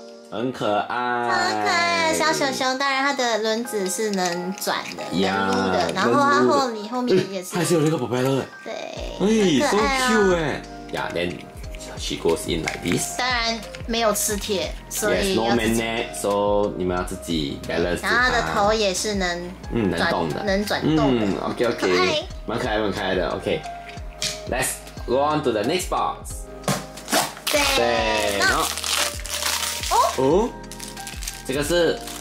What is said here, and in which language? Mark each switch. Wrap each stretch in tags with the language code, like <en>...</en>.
<zh>很可爱，超可爱，小熊熊，当然它的轮子是能转的，能撸的，然后它后面也是，它也是有那个</zh> <en>propeller</en> <zh>对，哎，</zh> <en>so cute 哎，yeah, then she goes in like this.</en> <zh>当然没有磁铁，所以</zh> <en>yes, no magnet, so</en> <zh>你们要自己</zh> <en>balance</en> <zh>然后它的头也是能转动的，</zh> <en>OK OK，</en> <zh>蛮可爱的</zh> <en>，OK， let's go on to the next box.</en> <zh>对，然后。哦，这个是</zh>